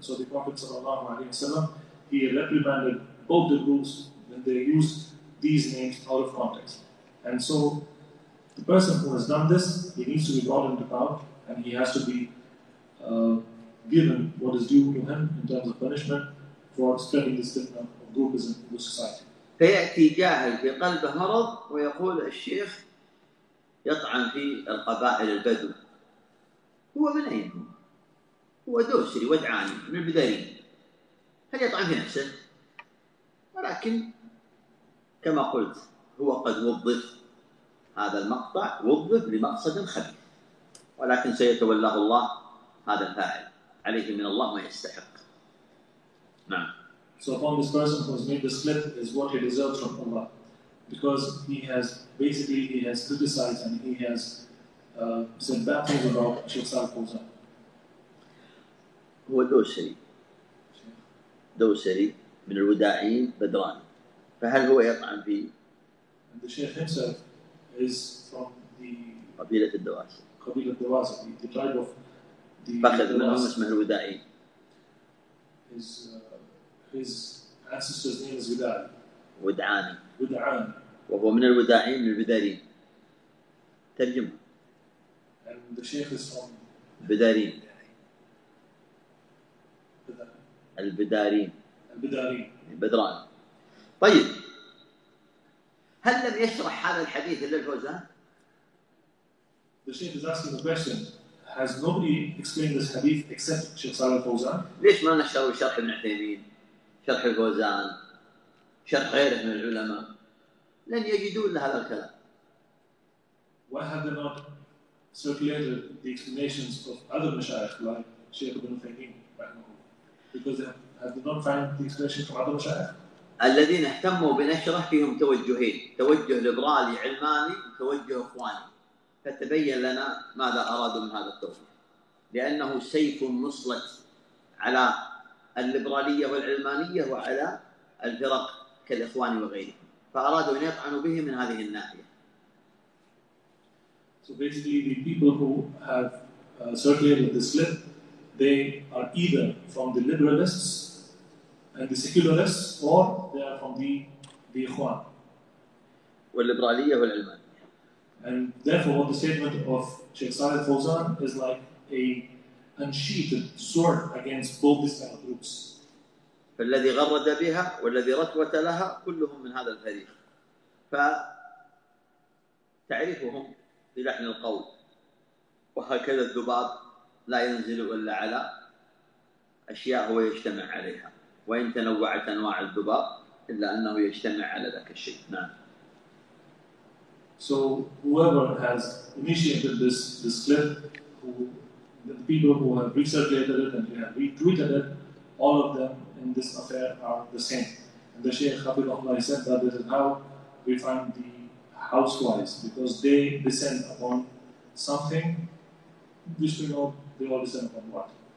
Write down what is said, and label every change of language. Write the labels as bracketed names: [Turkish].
[English] So the Prophet ﷺ, he reprimanded both the groups when they used these names out of context. And so the person who has done this, he needs to be brought into account and he has to be given what is due to him in terms of punishment for spreading this stigma of groupism in the society. [Arabic] فيأتي جاهل في قلبه مرض ويقول الشيخ يطعن في القبائل البدو. هو من أين؟ هو دوسري ودعاني من البدري. هل يطعن في نفسه؟ ولكن كما قلت هو قد وظف، هذا المقطع وظف لمقصد خبيث، ولكن سيتولاه الله هذا الفاعل، عليه من الله ما يستحق. نعم. [English] So upon this person who has made this clip is what he deserves from Allah, because he has criticized and he has said bad things about Sheikh Saleh Fawzan. [Arabic] هو دوسري. دوسري من الوداعيين بدران. فهل هو يطعن في [English] And the Sheikh himself is from the [Arabic] قبيلة الدواس. قبيلة الدواس, [English] the tribe of the [Arabic] فخذ من اسمه الوداعي. [English] His ancestor's name is Wudai. [Arabic] ودعاني. ودعان. وهو من الوداعين من البدارين. ترجم. [English] And the Sheikh is from [Arabic] البدارين. البدارين. البدارين. بدران. طيب هل لم يشرح هذا الحديث إلا الفوزان؟ [English] The Sheikh is asking the question. Has nobody explained this hadith except Sheikh Saleh Al-Fawzan? [Arabic] ليش ما نشرح شرح ابن عثيمين، شرح الفوزان، شرح غيره من العلماء؟ لن يجدون هذا الكلام. [English] Why have they not circulated the explanations of other mashayikh like Sheikh Ibn Uthaymeen رحمه؟ Because have not found the explanation from other mashayikh. [Arabic] الذين اهتموا بنشره فيهم توجهين، توجه لبرالي علماني وتوجه اخواني، فتبين لنا ماذا ارادوا من هذا التوجه، لانه سيف مسلط على الليبراليه والعلمانيه وعلى الفرق كالاخوان وغيرهم، فارادوا ان يطعنوا به من هذه الناحيه. [English] So basically the people who have circulated this clip, they are either from the liberalists and the secularists, or they are from the Ikhwan. [Arabic] والليبرالية والعلمانية. [English] And therefore, the statement of Sheikh Saleh Fawzan is like an unsheathed sword against both these kind of groups. [Arabic] فالذي غرد بها والذي ركوت لها كلهم من هذا الفريق. فتعريفهم بلحن القول، وهكذا الذباب لا ينزل إلا على أشياء هو يجتمع عليها، وإن تنوعت أنواع الذباب إلا أنه يجتمع على ذاك الشيء. نعم. [English] So whoever has initiated this clip, who the people who have recirculated it and who have retweeted it, all of them in this affair are the same. And the Shaykh Hafidhullah said that this is how we find the housewives, because they descend upon something which we know they all descend upon what?